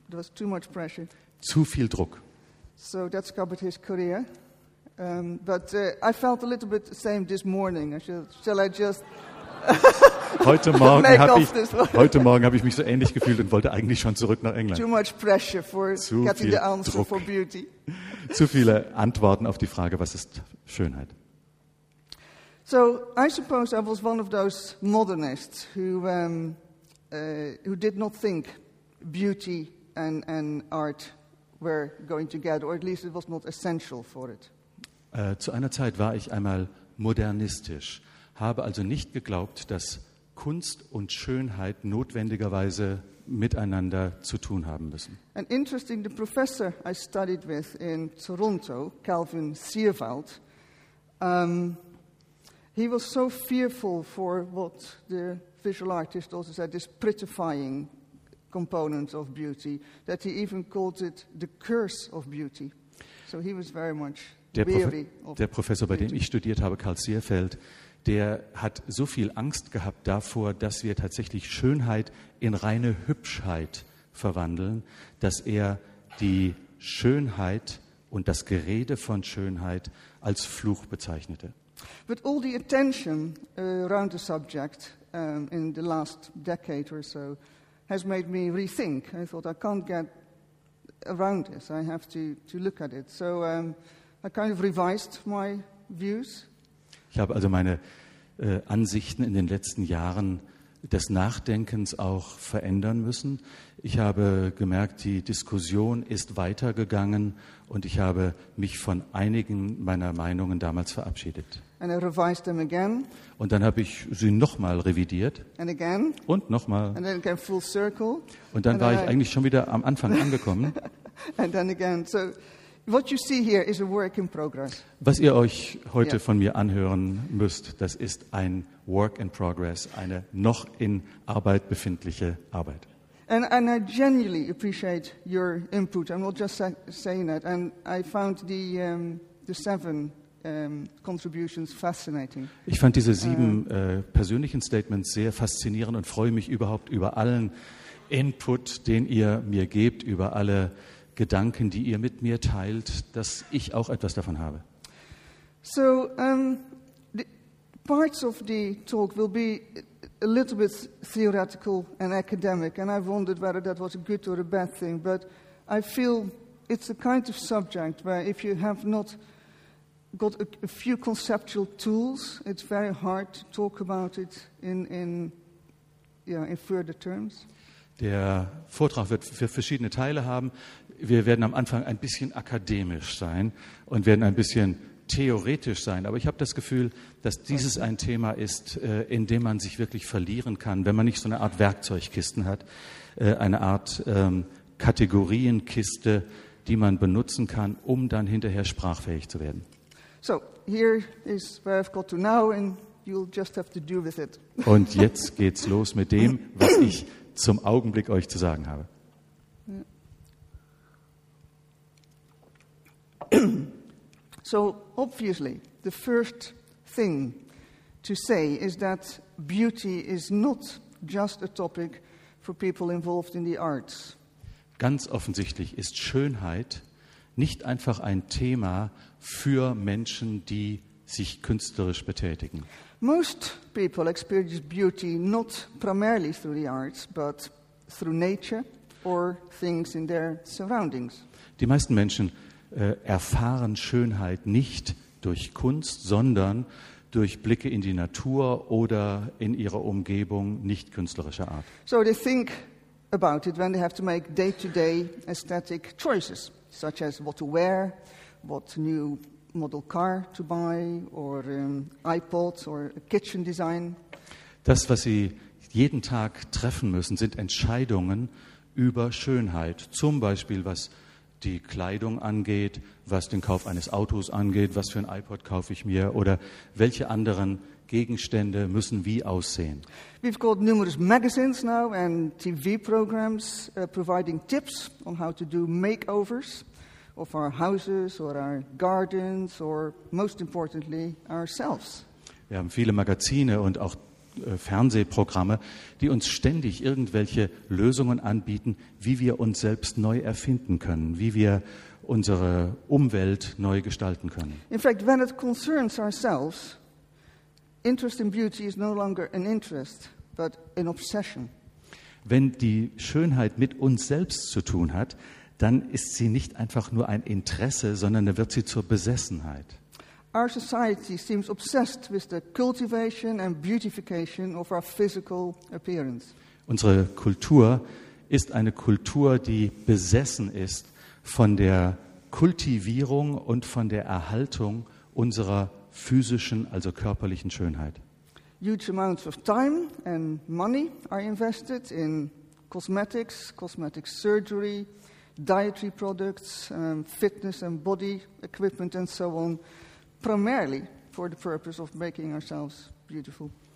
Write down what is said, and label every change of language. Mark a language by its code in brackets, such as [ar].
[en] There was too much pressure. [de] Zu viel Druck. [en] So that scuppered his career. I felt a little bit the same this morning. Shall I just... [de] Heute Morgen habe ich mich so ähnlich gefühlt und wollte eigentlich schon zurück nach England. [en] Too much pressure for [de] Zu [en] getting the answer [de] Druck. [en] For beauty. [de] Zu viele Antworten auf die Frage, was ist Schönheit? [en] So, I suppose I was one of those modernists who did not think beauty and art were going together, or at least it was not essential for it. [de] Zu einer Zeit war ich einmal modernistisch, habe also nicht geglaubt, dass Kunst und Schönheit notwendigerweise miteinander zu tun haben müssen. [en] And interesting, the professor I studied with in Toronto, Calvin Sierwald, he was so fearful for what the visual artist also said, this prettifying component of beauty, that he even called it the curse of beauty. So he was very much weary of [de] Der Professor, bei dem ich studiert habe, Karl Sierfeld, der hat so viel Angst gehabt davor, dass wir tatsächlich Schönheit in reine Hübschheit verwandeln, dass er die Schönheit und das Gerede von Schönheit als Fluch bezeichnete. [en] But all the attention around the subject in the last decade or so has made me rethink. I thought I can't get around this. I have to look at it. So I kind of revised my views. [de] Ich habe also meine Ansichten in den letzten Jahren des Nachdenkens auch verändern müssen. Ich habe gemerkt, die Diskussion ist weitergegangen und ich habe mich von einigen meiner Meinungen damals verabschiedet. [en] And I revised them again. [de] Und dann habe ich sie nochmal revidiert. [en] And again. [de] Und nochmal. [en] And then came full circle. [de] Und dann war ich eigentlich schon wieder am Anfang angekommen. [en] And then again. So what you see here is a work in progress. [de] Was ihr euch heute von mir anhören müsst, das ist ein [en] work in progress, [de] eine noch in Arbeit befindliche Arbeit. [en] And I genuinely appreciate your input. I'm not just saying that. And I found the seven contributions fascinating. [de] Ich fand diese sieben persönlichen Statements sehr faszinierend und freue mich überhaupt über allen Input, den ihr mir gebt, über alle Gedanken, die ihr mit mir teilt, dass ich auch etwas davon habe. [en] So, the parts of the talk will be a little bit theoretical and academic, and I wondered whether that was a good or a bad thing, but I feel it's a kind of subject where if you have not got a few conceptual tools, it's very hard to talk about it in further terms. [de] Der Vortrag wird für verschiedene Teile haben. Wir werden am Anfang ein bisschen akademisch sein und werden ein bisschen theoretisch sein. Aber ich habe das Gefühl, dass dieses ein Thema ist, in dem man sich wirklich verlieren kann, wenn man nicht so eine Art Werkzeugkisten hat, eine Art Kategorienkiste, die man benutzen kann, um dann hinterher sprachfähig zu werden. [en] So, here is where I've got to now and you'll just have to do with it. [de] Und jetzt geht's los mit dem, was ich zum Augenblick euch zu sagen habe. [en] So, obviously, the first thing to say is that beauty is not just a topic for people involved in the arts. [de] Ganz offensichtlich ist Schönheit nicht einfach ein Thema für Menschen, die sich künstlerisch betätigen. [en] Most people experience beauty not primarily through the arts, but through nature or things in their surroundings. [de] Die meisten Menschen erfahren Schönheit nicht durch Kunst, sondern durch Blicke in die Natur oder in ihre Umgebung nicht künstlerischer Art. [en] So they think about it when they have to make day-to-day aesthetic choices, such as what to wear, what new model car to buy, or iPods, or a kitchen design. [de] Das, was Sie jeden Tag treffen müssen, sind Entscheidungen über Schönheit. Zum Beispiel, was die Kleidung angeht, was den Kauf eines Autos angeht, was für ein iPod kaufe ich mir, oder welche anderen Gegenstände müssen wie aussehen. [en] We've got numerous magazines now and TV programs providing tips on how to do makeovers of our houses or our gardens or most importantly ourselves. [de] Wir haben viele Magazine und auch Fernsehprogramme, die uns ständig irgendwelche Lösungen anbieten, wie wir uns selbst neu erfinden können, wie wir unsere Umwelt neu gestalten können. [en] In fact, when it concerns ourselves, interest in beauty is no longer an interest, but an obsession. [de] Wenn die Schönheit mit uns selbst zu tun hat, dann ist sie nicht einfach nur ein Interesse, sondern dann wird sie zur Besessenheit. [en] Our society seems obsessed with the cultivation and beautification of our physical appearance. [de] Unsere Kultur ist eine Kultur, die besessen ist von der Kultivierung und von der Erhaltung unserer physischen, also körperlichen Schönheit. [en] Huge amounts of time and money are invested in cosmetics, cosmetic surgery, dietary products, fitness and body equipment and so on, primarily for the purpose of making ourselves beautiful.